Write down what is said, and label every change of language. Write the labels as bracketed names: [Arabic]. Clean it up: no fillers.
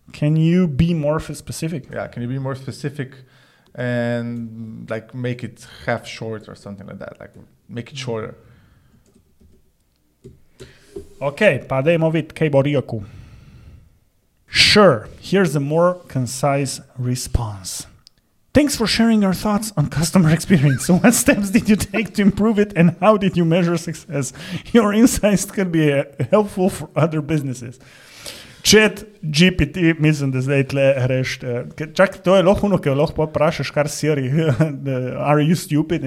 [English] Can you be more specific? Yeah, can you be more specific and like make it half short or something like that, like make it shorter. [Slovenian] Ok, pa dejmo vid, kaj bo rekel. [English] Sure, here's a more concise response. Thanks for sharing your thoughts on customer experience. What steps did you take to improve it and how did you measure success? Your insights can be helpful for other businesses. [Slovenian] Chat GPT, mislim, da zdaj tle reš. Čak, to je lahko ono, ki jo lahko prašiš, kar Siri, [English] are you stupid?